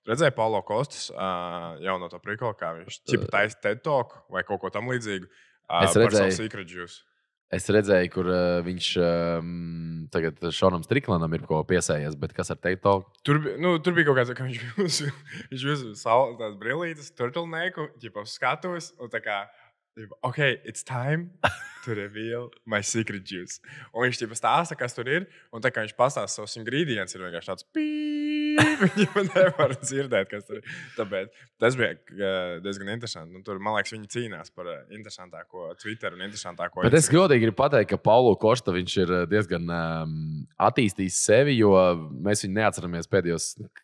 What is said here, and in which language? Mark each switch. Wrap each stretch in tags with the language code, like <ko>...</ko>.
<lv>Redzēju Paulo Kostas jauno to prikolu, kā viņš ķipa taisa TED Talk vai kaut ko tam līdzīgu par savu Secret Juice. Es redzēju, kur viņš tagad Šonam Striklanam ir ko piesējies, bet kas ar TED Talk? Tur, nu, tur bija kaut kāds, ka viņš uzsauca tās brillītes, turtleneku, ķipa uz skatuves, un tā kā...</lv> <en>Ok, it's time to reveal my secret juice.</en> <lv>Un viņš tīpa stāsta, kas tur ir, un tā kā viņš pastāsta savus ingredients, ir vienkārši tāds pīp, viņi nevar dzirdēt, kas tur ir. Tāpēc tas bija diezgan interesanti. Un tur, man liekas, viņi cīnās par interesantāko Twitter un interesantāko... Bet es godīgi gribu pateikt, ka Paulo Kosta, viņš ir diezgan attīstījis sevi, jo mēs viņu neatceramies pēdējos...</lv>